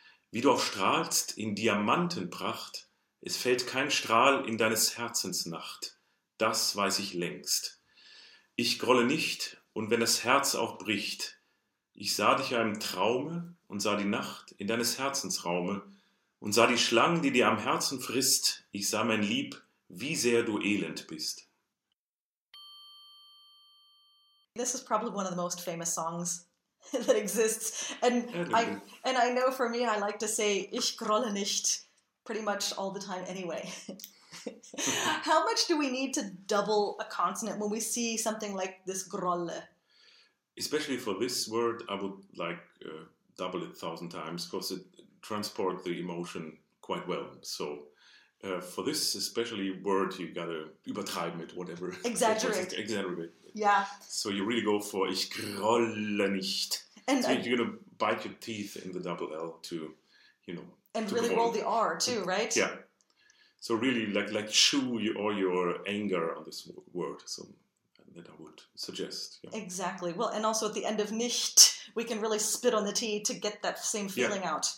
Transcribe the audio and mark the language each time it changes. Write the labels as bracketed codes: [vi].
[de] Wie du auch strahlst in Diamantenpracht, es fällt kein Strahl in deines Herzens Nacht, das weiß ich längst. Ich grolle nicht, und wenn das Herz auch bricht, ich sah dich ja im Traume und sah die Nacht in deines Herzens Raume und sah die Schlangen, die dir am Herzen frisst, ich sah mein Lieb, wie sehr du elend bist. [en] This is probably one of the most famous songs that exists. And I know for me, I like to say, [de] ich grolle nicht, [en] pretty much all the time anyway. How much do we need to double a consonant when we see something like this grolle? Especially for this word, I would like double it 1,000 times because it transports the emotion quite well. So for this especially word, you gotta übertreiben it, whatever. Exaggerate. Exaggerate. Yeah. So you really go for [de] ich grolle nicht. [en] And so you're gonna bite your teeth in the double L to, you know. And really roll the R too, right? Yeah. So really like chew all your anger on this word. So that I would suggest. Yeah. Exactly. Well, and also at the end of nicht, we can really spit on the T to get that same feeling out.